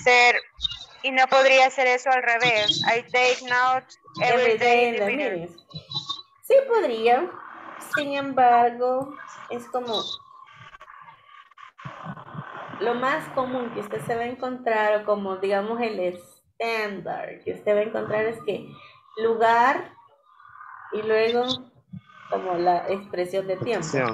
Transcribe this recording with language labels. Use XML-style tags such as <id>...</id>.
<es>Teacher, ¿y no podría ser eso al revés?</es> <en>I take notes every day in the meetings.</en> <es>Sí podría. Sin embargo, es como lo más común que usted se va a encontrar, o como digamos el estándar que usted va a encontrar, es que lugar y luego como la expresión de tiempo.</es>